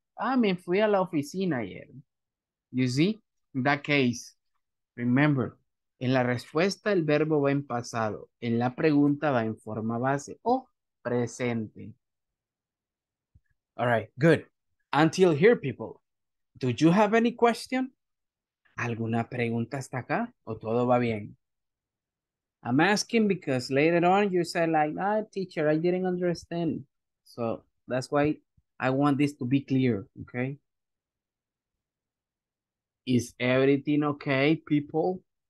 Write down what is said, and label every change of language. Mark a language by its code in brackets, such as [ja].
[es] Fui a la oficina ayer. You see? In that case, remember, en la respuesta el verbo va en pasado, en la pregunta va en forma base o presente. All right, good. [en] Until here, people, do you have any question? [es] ¿Alguna pregunta hasta acá o todo va bien? [en] I'm asking because later on you said like, teacher, I didn't understand. So that's why I want this to be clear, okay? Is everything okay, people?